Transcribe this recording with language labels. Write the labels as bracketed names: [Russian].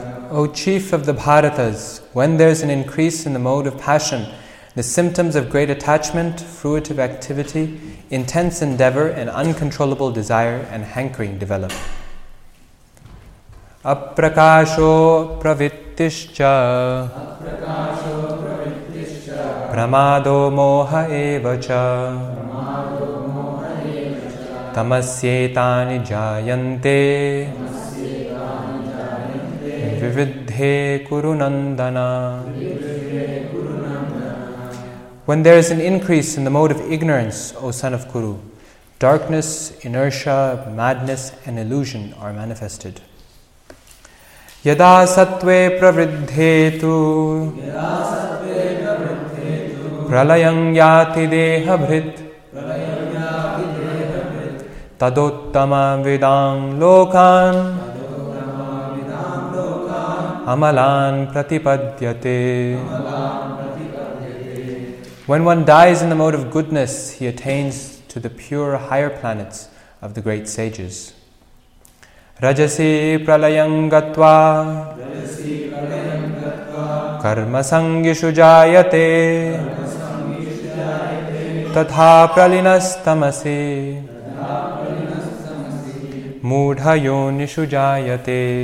[English] O chief of the Bharatas, when there is an increase in the mode of passion, the symptoms of great attachment, fruitive activity, intense endeavor, and uncontrollable desire and hankering develop. [Sanskrit] Aprakasho pravittischa प्रमादो मोह एव च तमस्येतानि जायन्ते विविद्धे कुरु नन्दन। [English] When there is an increase in the mode of ignorance, O son of Kuru, darkness, inertia, madness and illusion are manifested. [Sanskrit] यदा सत्वे प्रवृद्धे तु प्रलयं याति देहभृत् तदोत्तमविदां लोकान् अमलान् प्रतिपद्यते। [English] When one dies in the mode of goodness, he attains to the pure higher planets of the great sages. [Sanskrit] रजसि प्रलयं गत्वा कर्मसंगिषु जायते तथा प्रलिनस्तमसि मूढयोनिषु जायते।